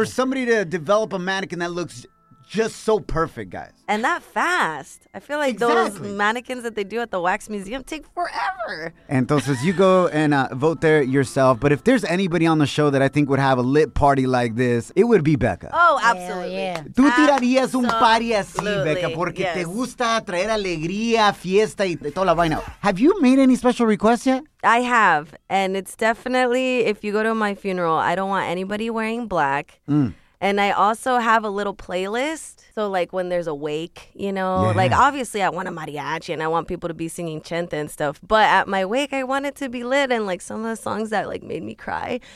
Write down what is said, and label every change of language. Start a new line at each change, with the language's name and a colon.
English: for somebody to develop a mannequin that looks just so perfect, guys. And that fast. I feel like those mannequins that they do at the wax museum take forever.
Spanish: Entonces,
English: you go and vote there yourself. But if there's anybody on the show that I think would have a lit party like this, it would be Becca. Oh, absolutely. Yeah, yeah.
Spanish: Tú tirarías un party así, Becca, porque
English: yes.
Spanish: te gusta traer alegría, fiesta y toda la vaina.
English: Have you made any special requests yet? I have. And it's definitely, if you go to my funeral, I don't want anybody wearing black. Mm. And I also have a little playlist. So like when there's a wake, you know, yeah. like obviously I want a mariachi and I want people to be singing chente and stuff. But at my wake, I want it to be lit and like some of the songs that like made me cry.